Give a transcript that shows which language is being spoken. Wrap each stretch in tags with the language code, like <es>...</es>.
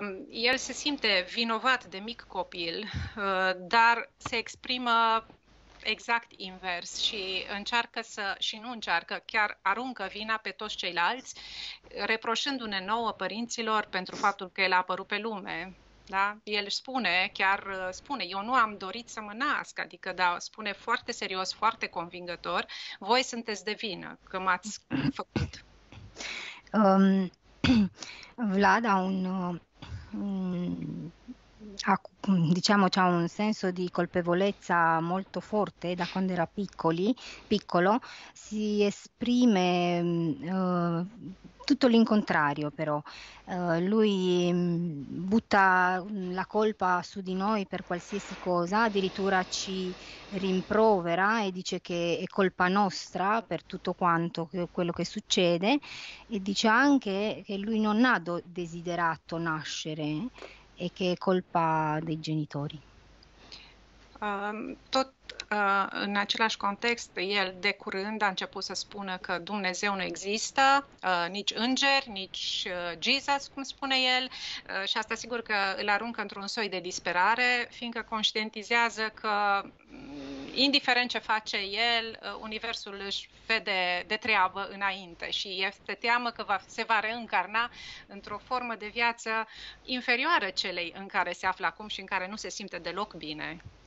<ro>El se simte vinovat de mic copil, dar se exprimă exact invers și încearcă să, și nu încearcă, chiar aruncă vina pe toți ceilalți, reproșându-ne nouă părinților pentru faptul că el a apărut pe lume. Da? El spune, chiar spune, eu nu am dorit să mă nasc, adică da, spune foarte serios, foarte convingător, voi sunteți de vină că m-ați făcut.</ro> <it>Vlad ha diciamo, c'ha un senso di colpevolezza molto forte da quando era piccolo, si esprime tutto l'incontrario però, lui butta la colpa su di noi per qualsiasi cosa, addirittura ci rimprovera e dice che è colpa nostra per tutto quanto quello che succede e dice anche che lui non ha desiderato nascere e che è colpa dei genitori.</it> <ro>Tot în același context, el de curând a început să spună că Dumnezeu nu există, nici îngeri, nici Jesus, cum spune el, și asta sigur că îl aruncă într-un soi de disperare, fiindcă conștientizează că, indiferent ce face el, Universul își vede de treabă înainte și este teamă că se va reîncarna într-o formă de viață inferioară celei în care se află acum și în care nu se simte deloc bine.</ro>